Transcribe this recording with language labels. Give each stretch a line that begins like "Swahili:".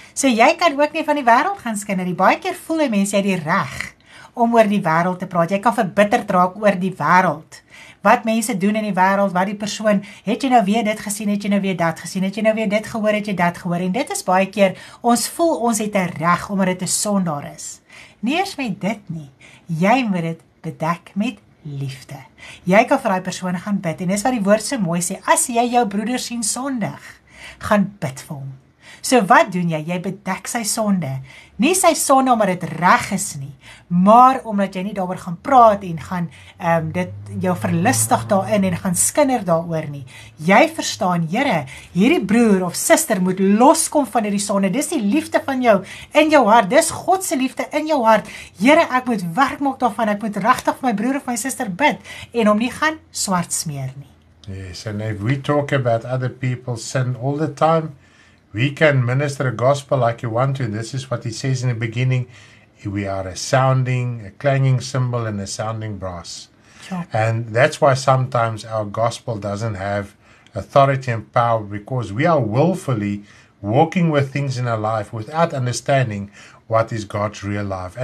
Afrikaans: So jy kan ook nie van die wêreld gaan skinder. Baie keer voel die mense jy die reg om oor die wêreld te praat. Jy kan verbitterd raak oor die wêreld. Wat mense doen in die wêreld, wat die persoon, het jy nou weer dit gesien, het jy nou weer dat gesien, het jy nou weer dit gehoor, het jy dat gehoor, en dit is baie keer, ons voel ons het 'n reg, omdat dit 'n sondaar is. Nie eers met dit nie, jy moet dit bedek met liefde. Jy kan vir daai persoon gaan bid, en dis wat die woord so mooi sê, as jy jou broeder sien sondig, gaan bid vir hom. So wat doen jy? Jy bedek sy sonde. Nie sy sonde omdat dit reg is nie, maar omdat jy nie daaroor gaan praat en gaan dit jou verlustig daarin en gaan skinder daaroor nie. Jy verstaan, Here, hierdie broer of suster moet loskom van hierdie sonde. Dis die liefde van jou in jou hart. Dis God se liefde in jou hart. Here, ek moet werk maak daarvan. Ek moet regtig vir my broer of my suster bid en hom nie gaan swart smeer nie.
English: Yes, and if we talk about other people's sin all the time, we can minister a gospel like you want to. This is what he says in the beginning. We are a sounding, a clanging cymbal and a sounding brass. Sure. And that's why sometimes our gospel doesn't have authority and power, because we are willfully walking with things in our life without understanding what is God's real life.